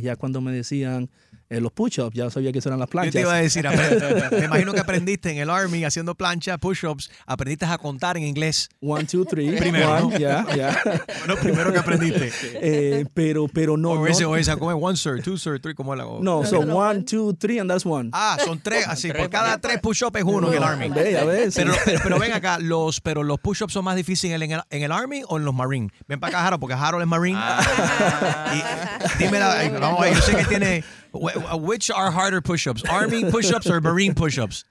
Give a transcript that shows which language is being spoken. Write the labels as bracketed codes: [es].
[es] Ya cuando me decían los push-ups, ya sabía que eran las planchas. Yo te iba a decir, me imagino que aprendiste en el Army haciendo planchas, push-ups, aprendiste a contar en inglés. [en] One, two, three. [es] Primero, [en] one, [es] ¿no? [en] Yeah. [es] Bueno, primero que aprendiste. Pero no. O esa, ¿cómo es? [en] One, sir, two, sir, three, [es] ¿cómo es la? [en] No, so one, two, three, and that's one. [es] Ah, son tres, así, por cada tres push-ups es uno en el Army. Ve, a ver. Pero ven acá, los push-ups son más difíciles en el Army o en los Marines. Ven para acá, Harold, porque Harold es Marine. Ah. Y dime la, vamos, yo sé que tiene... [en] Which are harder push-ups, Army push-ups or Marine push-ups?